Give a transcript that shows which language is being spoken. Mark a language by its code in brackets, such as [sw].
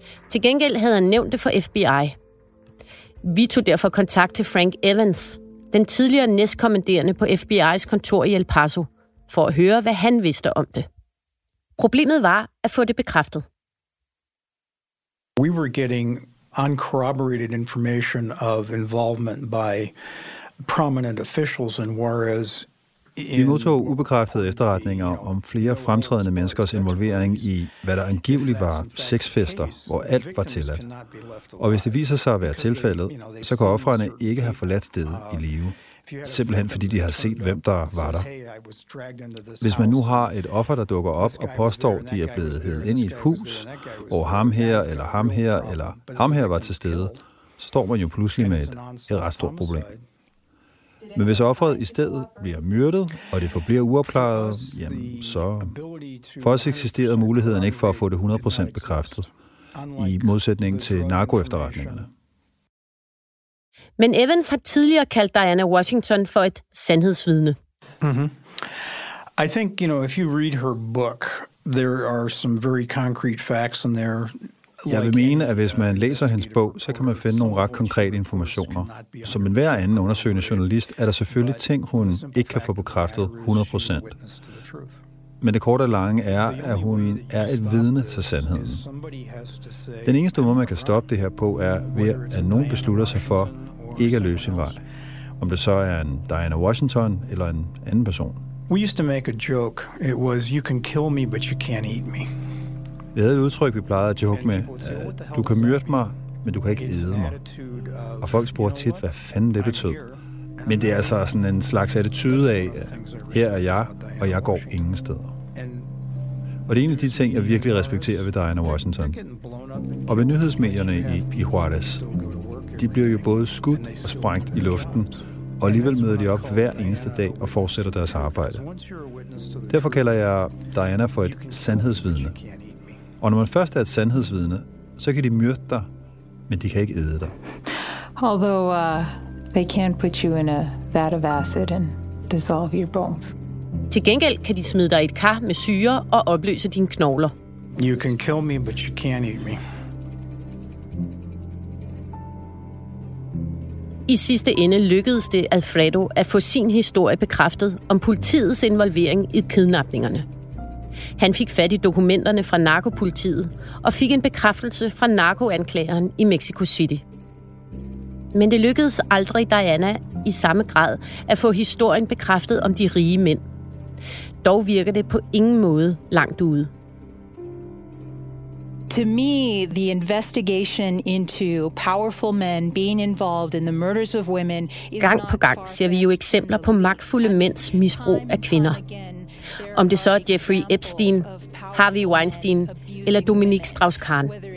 [da] Til gengæld havde han nævnt det for FBI. Vi tog derfor kontakt til Frank Evans, den tidligere næstkommanderende på FBI's kontor i El Paso, for at høre, hvad han vidste om det. Problemet var at få det bekræftet. [en] We were getting uncorroborated information of involvement by prominent officials in Juarez. [da] Vi modtog ubekræftede efterretninger om flere fremtrædende menneskers involvering i, hvad der angiveligt var sexfester, hvor alt var tilladt. Og hvis det viser sig at være tilfældet, så kan ofrene ikke have forladt stedet i live. Simpelthen fordi de har set, hvem der var der. Hvis man nu har et offer, der dukker op og påstår, de er blevet hævet ind i et hus, hvor ham her, eller ham her, eller ham her var til stede, så står man jo pludselig med et ret stort problem. Men hvis offeret i stedet bliver myrdet, og det forbliver uopklaret, jamen så... For os eksisterede muligheden ikke for at få det 100% bekræftet, i modsætning til narkoefterretningerne. Men Evans har tidligere kaldt Diana Washington for et sandhedsvidne. Mm-hmm. [en] I think, you know, if you read her book, there are some very concrete facts in there. [da] Jeg vil mene, at hvis man læser hendes bog, så kan man finde nogle ret konkrete informationer. Som enhver anden undersøgende journalist er der selvfølgelig ting, hun ikke kan få bekræftet 100%. Men det korte og lange er, at hun er et vidne til sandheden. Den eneste måde, man kan stoppe det her på, er ved, at nogen beslutter sig for ikke at løse en vej. Om det så er en Diana Washington eller en anden person. [en] We used to make a joke. It was, you can kill me, but you can't eat me. [da] Vi havde et udtryk, vi plejede at joke med, du kan myrde mig, men du kan ikke æde mig. Og folk spurgte tit, hvad fanden det betød. Men det er altså sådan en slags attitude af, her er jeg, og jeg går ingen steder. Og det er en af de ting, jeg virkelig respekterer ved Diana Washington. Og ved nyhedsmedierne i Juarez. De bliver jo både skudt og sprængt i luften, og alligevel møder de op hver eneste dag og fortsætter deres arbejde. Derfor kalder jeg Diana for et sandhedsvidne. Og når man først er et sandhedsvidne, så kan de myrde dig, men de kan ikke æde dig. [en] Although they can put you in a vat of acid and dissolve your bones. [da] Til gengæld kan de smide dig i et kar med syre og opløse dine knogler. [en] You can kill me, but you can't eat me. [da] I sidste ende lykkedes det Alfredo at få sin historie bekræftet om politiets involvering i kidnapningerne. Han fik fat i dokumenterne fra narkopolitiet og fik en bekræftelse fra narkoanklageren i Mexico City. Men det lykkedes aldrig Diana i samme grad at få historien bekræftet om de rige mænd. Dog virker det på ingen måde langt ude. [en] To me, the investigation into powerful men being involved in the murders of women is [da] gang på gang ser vi jo eksempler på magtfulde mænds misbrug af kvinder. Om det så er Jeffrey Epstein, Harvey Weinstein eller Dominique Strauss-Kahn.